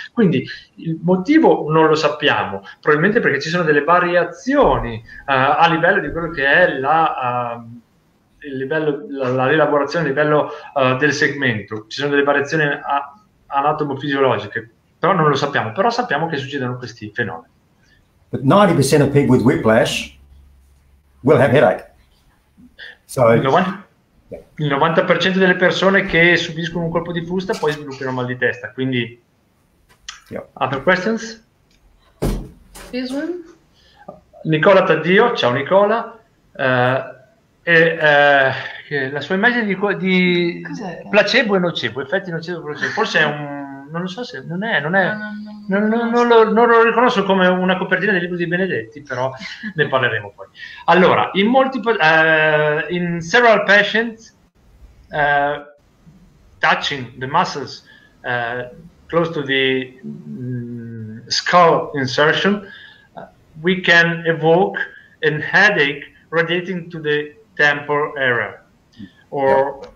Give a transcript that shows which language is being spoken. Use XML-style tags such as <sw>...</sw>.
<it>Quindi il motivo non lo sappiamo, probabilmente perché ci sono delle variazioni a livello di quello che è la rielaborazione a livello del segmento. Ci sono delle variazioni anatomo-fisiologiche. Però non lo sappiamo, però sappiamo che succedono questi fenomeni.</it> <en>But 90% of people with whiplash will have headache.</en> <it>So il 90% delle persone che subiscono un colpo di frusta poi sviluppano mal di testa, quindi</it> <en>yeah. Other questions? This one?</en> <it>Nicola Taddio, ciao Nicola. La sua immagine di placebo e nocebo, effetti nocebo e placebo, forse è un non lo so se non è non lo riconosco come una copertina del libro di Benedetti, però ne parleremo poi. Allora, in molti</it> <en>in several patients touching the muscles close to the skull insertion, we can evoke a headache radiating to the temporal area or yeah.</en>